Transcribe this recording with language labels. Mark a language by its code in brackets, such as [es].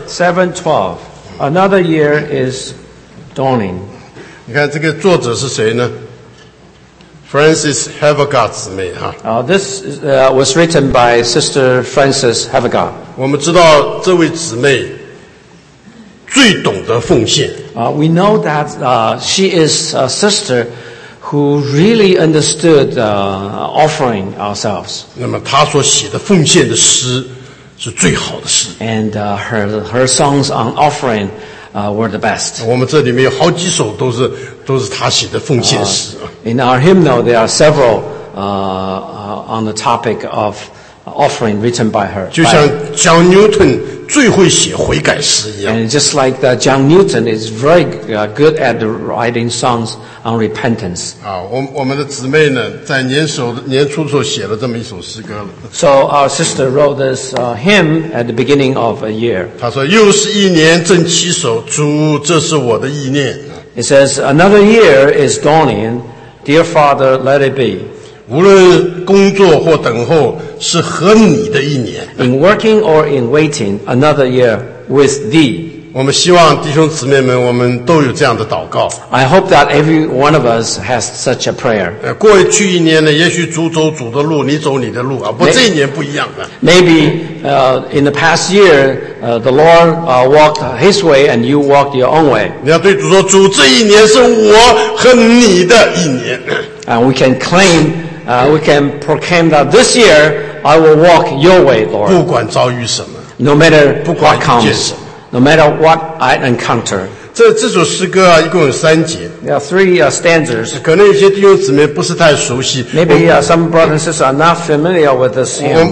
[en] 712。 Another year is dawning. [zh] 你看这个作者是谁呢？Frances Havergal 姊妹哈。 [en] This was written by Sister Frances Havergal. [zh] 我们知道这位姊妹最懂得奉献。 [en] We know that she is a sister who really understood offering ourselves. [zh] 那么她所写的奉献的诗。是最好的诗。 [en] And her songs on offering were the best. [zh] 我们这里面有好几首都是他写的奉献诗。 [en] In our hymnal, there are several on the topic of offering written by her. [zh] 就像 John Newton 最会写悔改诗一样。 [en] And just like that, John Newton is very good at writing songs on repentance. [zh] 我们的姊妹呢，在年初时候写了这么一首诗歌了。 [en] So our sister wrote this hymn at the beginning of a year. [zh] 她说：“又是一年正七首，主，这是我的意念。” [en] It says, "Another year is dawning, dear Father, let it be." [zh] 无论工作或等候，是和你的一年。 [en] In working or in waiting, another year with thee. [zh] 我们希望弟兄姊妹们，我们都有这样的祷告。 [en] I hope that every one of us has such a prayer. [zh] 过去一年呢，也许主走主的路，你走你的路啊，不，这一年不一样了。 [en] Maybe in the past year, the Lord walked His way and you walked your own way. [zh] 你要对主说，主，这一年是我和你的一年。 [en] And we can claim. We can proclaim that this year I will walk your way, Lord. [zh] 不管遭遇什么， [en] no matter what comes, no matter what I encounter. [zh] 这首诗歌啊，一共有三节。 [en] There are three stanzas. [zh] 可能有些弟兄姊妹不是太熟悉。 [en] Maybe some brothers and sisters are not familiar with this hymn.